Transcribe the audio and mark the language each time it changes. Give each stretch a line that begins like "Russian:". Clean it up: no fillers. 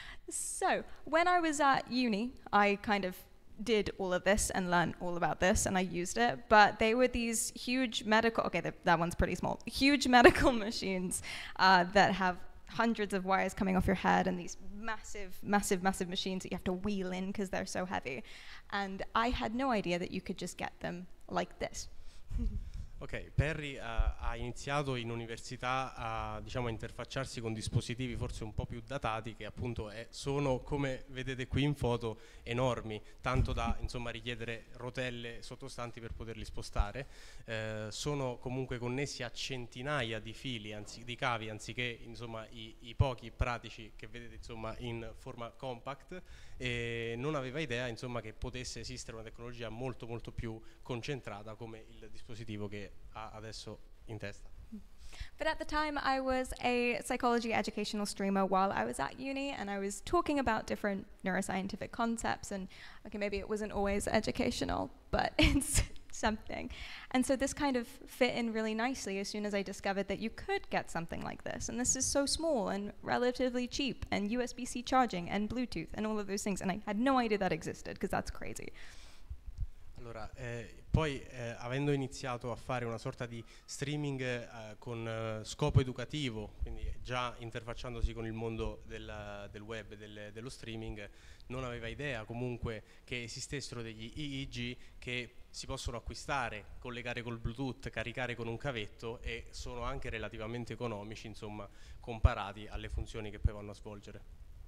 English: So, when I was at uni, I kind of did all of this and learned all about this and I used it, but they were these huge medical, okay, that one's pretty small, huge medical machines that have hundreds of wires coming off your head and these massive, massive, massive machines that you have to wheel in because they're so heavy. And I had no idea that you could just get them like this.
Italian: Ok, Perry ha iniziato in università a, diciamo, a interfacciarsi con dispositivi forse un po' più datati, che appunto sono, come vedete qui in foto, enormi, tanto da insomma richiedere rotelle sottostanti per poterli spostare. Sono comunque connessi a centinaia di fili, di cavi, anziché insomma i pochi pratici che vedete insomma in forma compact, e non aveva idea insomma che potesse esistere una tecnologia molto molto più concentrata come il dispositivo che ha adesso in testa.
English: But at the time I was a psychology educational streamer while I was at uni, and I was talking about different neuroscientific concepts, and okay, maybe it wasn't always educational, but it's something. And so this kind of fit in really nicely as soon as I discovered that you could get something like this, and this is so small and relatively cheap, and USB-C charging and Bluetooth and all of those things, and I had no idea that existed, because that's crazy.
Italian: Allora, poi avendo iniziato a fare una sorta di streaming con scopo educativo, quindi già interfacciandosi con il mondo del web, dello streaming, non aveva idea comunque che esistessero degli EEG che si possono acquistare, collegare col Bluetooth, caricare con un cavetto, e sono anche relativamente economici, insomma, comparati alle funzioni che poi vanno a svolgere.